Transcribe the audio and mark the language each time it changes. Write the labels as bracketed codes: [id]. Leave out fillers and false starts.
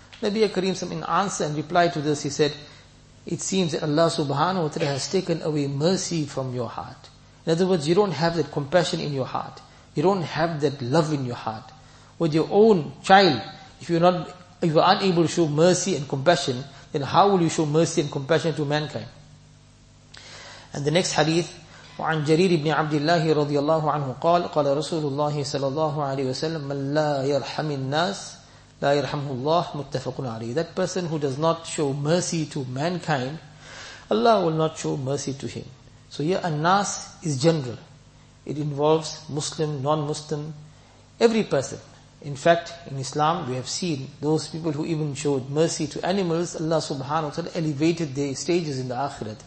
[en] Nabi Kareem, in answer and reply to this, he said, it seems that Allah subhanahu wa ta'ala has taken away mercy from your heart. In other words, you don't have that compassion in your heart. You don't have that love in your heart. With your own child, if you are unable to show mercy and compassion, then how will you show mercy and compassion to mankind? And the next hadith, [ar] وَعَنْ جَرِيرِ بْنِ عَبْدِ اللَّهِ رَضِيَ اللَّهُ عَنْهُ قَالَ قَالَ رَسُولُ اللَّهِ صَلَى اللَّهُ عَلَيْهِ وَسَلَّمَ مَنْ لَا يَرْحَمِ النَّاسِ لَا يَرْحَمُهُ اللَّهُ. مُتَّفَقٌ عَلَيْهِ. [en] That person who does not show mercy to mankind, Allah will not show mercy to him. So here, an-nas is general. It involves Muslim, non-Muslim, every person. In fact, in Islam, we have seen those people who even showed mercy to animals, Allah subhanahu wa ta'ala elevated their stages in the akhirat.